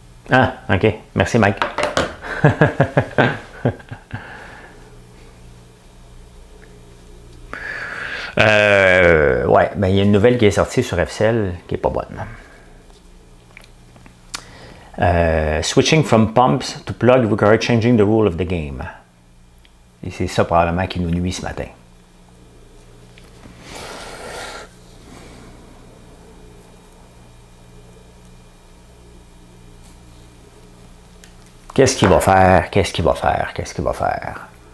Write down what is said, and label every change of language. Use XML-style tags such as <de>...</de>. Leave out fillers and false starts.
<fr>Ah, OK. Merci, Mike. ouais, ben, il y a une nouvelle qui est sortie sur FCL qui n'est pas bonne.</fr> <en>Switching from pumps to plug requires changing the rule of the game.</en> <fr>Et c'est ça probablement qui nous nuit ce matin. Qu'est-ce qu'il va faire? Qu'est-ce qu'il va faire? Qu'est-ce qu'il va faire?</fr>